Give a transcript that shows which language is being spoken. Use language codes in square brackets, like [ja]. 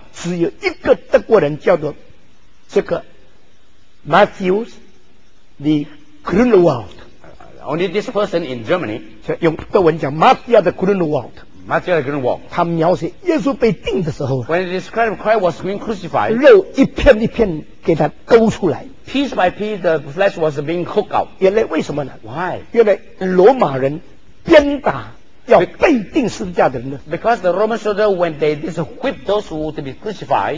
[zh] 只有一个德国人叫做这个 Matthews the Grunewald。 [en] Only this person in Germany， [zh] 用德文讲 Matthias the Grunewald。 [en] Matthias the Grunewald， [zh] 他描写耶稣被钉的时候 [en] ，When he described Christ was being crucified， [zh] 肉一片一片给他勾出来。 [en] Piece by piece, the flesh was being hooked out. [zh] 原来为什么呢 [en] ？Why？ [zh] 原来罗马人鞭打要被钉十字架的人呢 [en] ？Because the Roman soldier when they whip those who were to be crucified，